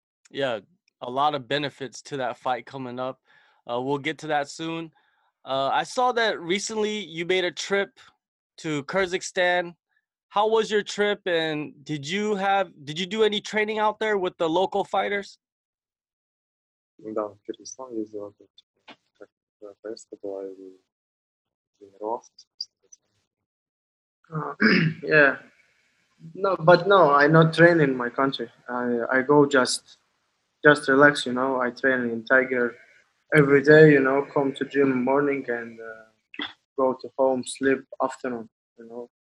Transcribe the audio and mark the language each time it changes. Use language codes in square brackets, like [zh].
[en] Yeah, a lot of benefits to that fight coming up. We'll get to that soon. I saw that recently you made a trip to Kyrgyzstan. How was your trip, and did you do any training out there with the local fighters? [ru] Да, в Кыргызстан ездил, как поездка была, и тренировался. [en] Yeah, no, but no, I not train in my country. I go just relax, you know. I train in Tiger every day, you know. Come to gym morning and go to home, sleep afternoon, you know.